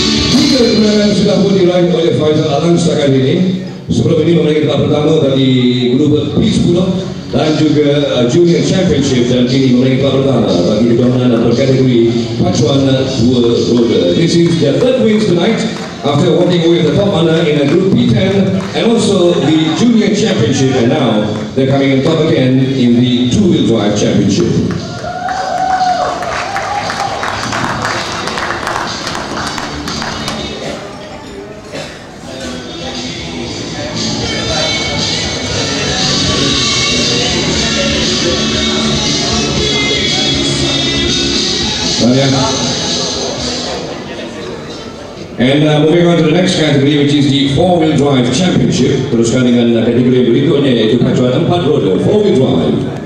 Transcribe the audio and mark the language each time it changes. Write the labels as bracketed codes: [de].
[ms] Tiga kemenangan sudah pun diraih oleh Faisal Alang setakat ini. Sebelum ini memenangi kelas pertama dari grup P10 dan juga Junior Championship, dan kini memenangi kelas pertama bagi kejohanan atau kategori pacuan dua roda. [en] This is their third win tonight, after walking away with the top honor in a group P10 and also the Junior Championship, and now they're coming in top again in the two-wheel drive championship. And moving on to the next category, which is the four-wheel drive championship. [ms] Teruskan dengan kategori berikutnya, yaitu pacuan empat roda, [en] four-wheel drive.